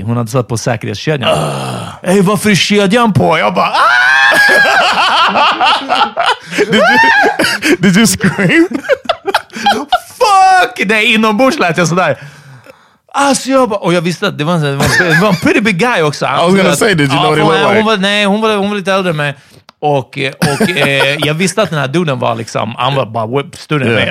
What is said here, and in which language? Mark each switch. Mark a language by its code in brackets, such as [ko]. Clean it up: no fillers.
[sv] Hon hade satt på säkerhetskedjan. Hej, varför är kedjan på? Jag bara... [en] did you scream? [sv] Fuck! Nej, inombords lät jag sådär. Alltså jag bara, och jag visste att det var en [en] pretty big guy [sv] också. [en] I was gonna say, did you know what he looked like? [sv] Hon var lite äldre än mig. Och jag visste att den här duden var liksom, han var bara större än mig.